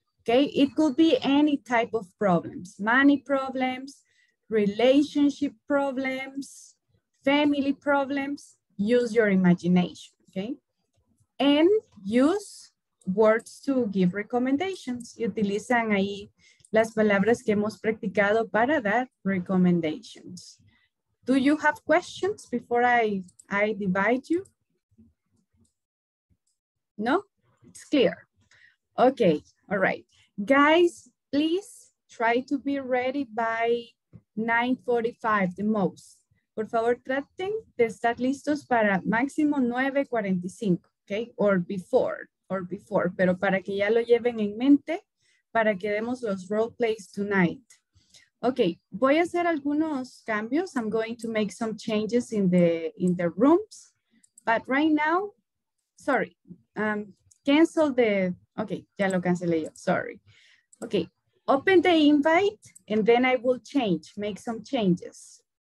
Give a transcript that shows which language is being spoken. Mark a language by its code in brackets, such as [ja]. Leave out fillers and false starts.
[en] Okay, it could be any type of problems, money problems, relationship problems, family problems. Use your imagination, okay? And use words to give recommendations. [es] Y utilizan ahí las palabras que hemos practicado para dar recommendations. [en] Do you have questions before I divide you? No? It's clear. Okay, all right. Guys, please try to be ready by 9:45 the most. [es] Por favor, traten de estar listos para máximo 9:45, okay? [en] Or before, [es] pero para que ya lo lleven en mente, para que demos los role plays [en] tonight. [es] Okay, voy a hacer algunos cambios. [en] I'm going to make some changes in the rooms. But right now, sorry, cancel the, okay, [es] ya lo cancelé yo, [en] sorry. Okay, open the invite and then I will change, make some changes.